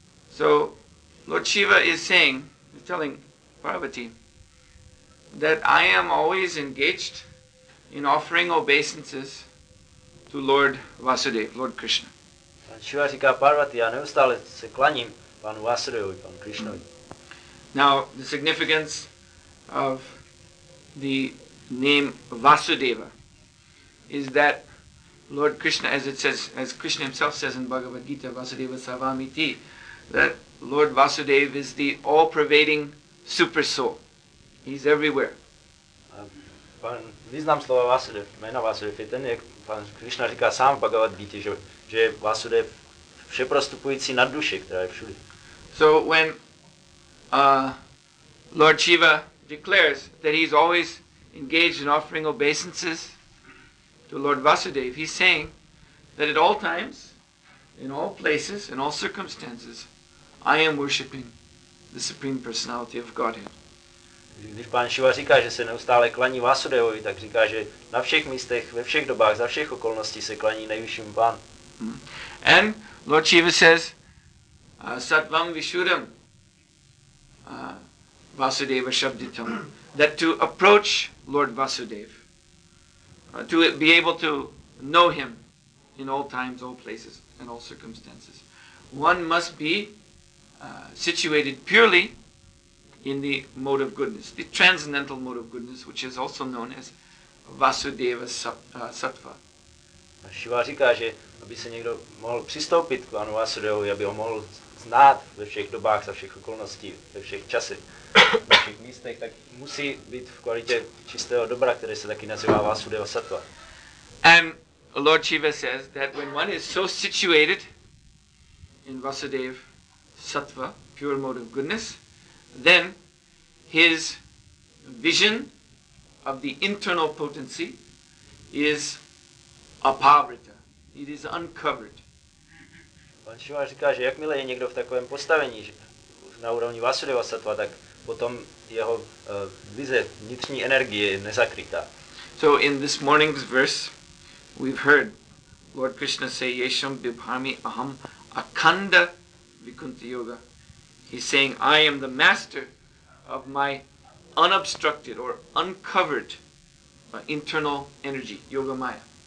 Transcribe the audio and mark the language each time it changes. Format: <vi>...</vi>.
<en>So Lord Shiva is saying, he's telling Parvati that I am always engaged in offering obeisances to Lord Vasudeva, Lord Krishna.</en> <cs>Shiva říká Parvati, já neustále se klaním panu Vasudevovi, panu Krishnovi.</cs> <en>Now, the significance of the name Vasudeva is that Lord Krishna, as it says, as Krishna himself says in Bhagavad Gita,</en> <sa>Vasudeva Savamiti,</sa> <en>that Lord Vasudeva is the all-pervading super soul. He's everywhere.</en> <cs>Význam slova Vasudev, jména Vasudev je ten, jak pan Krishna říká sám v Bhagavad Gita, že Vasudev vše prostupující nad duši, která je všude.</cs> <en>So when Lord Shiva declares that he's always engaged in offering obeisances to Lord Vasudev, he's saying that at all times, in all places, in all circumstances, I am worshipping the Supreme Personality of Godhead.</en> <cs>Když pan Shiva říká, že se neustále klaní Vasudevovi, tak říká, že na všech místech, ve všech dobách, za všech okolností se klaní nejvyšším pán.</cs> <en>And Lord Shiva says,</en> <sa>Satvam Vishuram Vasudeva Shabditam,</sa> <en>that to approach Lord Vasudev, to be able to know him in all times, all places, and all circumstances, one must be situated purely in the mode of goodness, the transcendental mode of goodness, which is also known as Vasudeva Sattva.</en> <cs>A Shiva říká, že aby se někdo mohl přistoupit k panu Vasudevovi, aby ho mohl znát ve všech dobách, za všech okolností, ve všech časech, ve všech místech, tak musí být v kvalitě čistého dobra, které se taky nazývá Vasudeva Sattva.</cs> <en>And Lord Shiva says that when one is so situated in Vasudeva Sattva, pure mode of goodness, then his vision of the internal potency is apavrita. It is uncovered.</en> <cs>Pan Shiva říká, že jakmile je někdo v takovém postavení, že na úrovni Vasudeva Sattva, tak potom jeho vize vnitřní energie je nezakrytá.</cs> <en>So in this morning's verse, we've heard Lord Krishna say,</en> <sa>Yesham Bibhami Aham Akanda Vikunti Yoga.</sa> <en>He's saying, I am the master of my unobstructed or uncovered internal energy, yoga maya.</en>